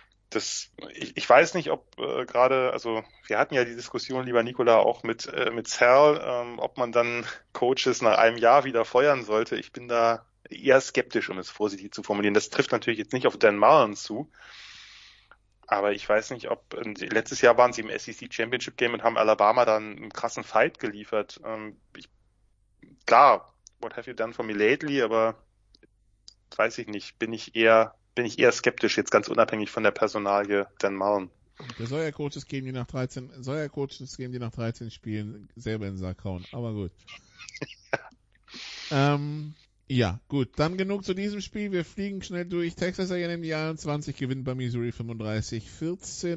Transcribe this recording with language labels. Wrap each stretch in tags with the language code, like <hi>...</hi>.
<de>Das, ich weiß nicht, ob gerade, also wir hatten ja die Diskussion, lieber Nicola, auch mit Sal, ob man dann Coaches nach einem Jahr wieder feuern sollte. Ich bin da eher skeptisch, um es vorsichtig zu formulieren. Das trifft natürlich jetzt nicht auf Dan Mullen zu. Aber ich weiß nicht, ob letztes Jahr waren sie im SEC Championship Game und haben Alabama dann einen krassen Fight geliefert. Klar,</de> <en>what have you done for me lately?</en> <de>Aber weiß ich nicht, bin ich eher skeptisch, jetzt ganz unabhängig von der Personalie Dan Mullen. Der soll ja Coaches geben, die nach 13, Spielen selber in den Sack hauen. Aber gut. Ja, gut, dann genug zu diesem Spiel. Wir fliegen schnell durch. Texas A&M, die 21, gewinnt bei Missouri 35-14.</de>